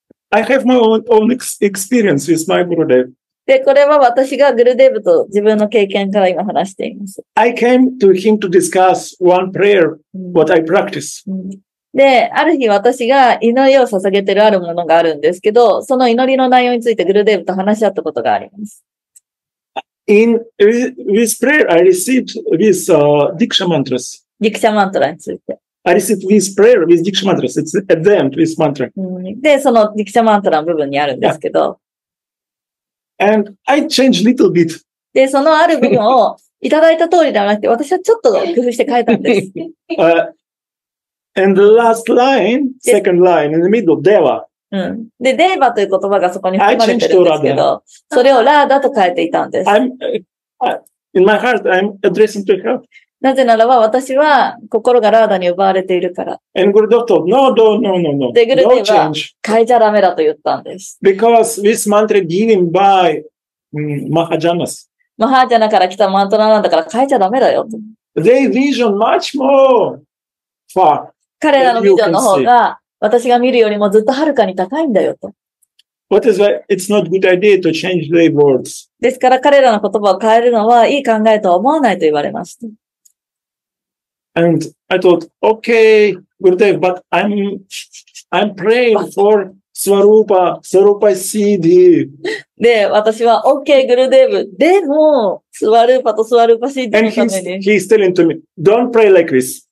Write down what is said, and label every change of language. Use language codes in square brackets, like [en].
[en] I have my own experience with my Gurudev. [ja] で、これは私がグルデブと自分の経験から今話しています。 [en] I came to him to discuss one prayer what I practice. [ja] で、ある日私が祈りを捧げているあるものがあるんですけど、その祈りの内容についてグルデーブと話し合ったことがあります。 [en] In this prayer, I received this Diksha mantras. [ja] Diksha mantra について。 [en] I received this prayer with Diksha mantras. It's at the end, this mantra. [ja] で、その Diksha mantra の部分にあるんですけど。 [en] Yeah. And I changed a little bit. [ja] で、そのある部分をいただいた通りではなくて、私はちょっと工夫して変えたんです。 [en] And the last line, second line, in the middle, deva. [ja] で、デーバという言葉がそこに含まれてるんですけど、それをラーダと変えていたんです。 [en] In my heart, I'm addressing to her. [ja] なぜならば私は心がラーダに奪われているから。 [en] And Gurudev told, no, no, no, no, no. [ja] で、グルデーは変えちゃダメだと言ったんです。 [en] Because this mantra given by Mahajanas. [ja] マハジャナから来たマントラなんだから変えちゃダメだよと。 [en] They vision much more far. [ja] 彼らのビジョンの方が私が見るよりもずっと遥かに高いんだよと。 [en] What is that? It's not a good idea to change their words. [ja] ですから彼らの言葉を変えるのはいい考えとは思わないと言われました。 [en] And I thought, okay, Gurudev, but I'm praying for Swarupa. Swarupa is seedy. [ja] で、私は [en] okay, Gurudev. [ja] でも、Swarupa と Swarupa seedy のために。 [en] And he's telling to me, don't pray like this.